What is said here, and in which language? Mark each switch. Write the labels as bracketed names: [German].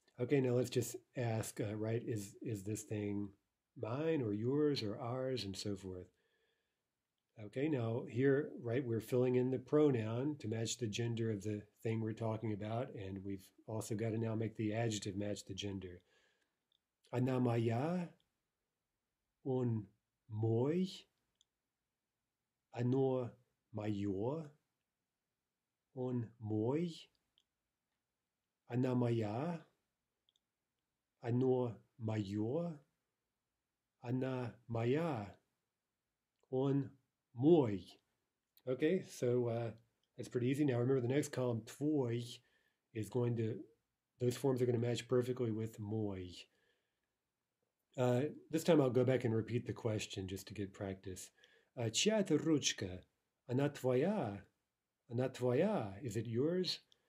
[English] Okay, now let's just ask, right, is this thing mine or yours or ours and so forth? Okay, now here, right, we're filling in the pronoun to match the gender of the thing we're talking about, and we've also got to now make the adjective match the gender. [Russian] Она моя, он мой, оно мое, он мой, она моя, оно мое, она моя, он Мой. [English] Okay, so that's pretty easy. Now remember the next column, твой, is going to, those forms are going to match perfectly with мой. This time I'll go back and repeat the question just to get practice. [Russian] Чья это ручка? Она твоя? Она твоя? [English] Is it yours?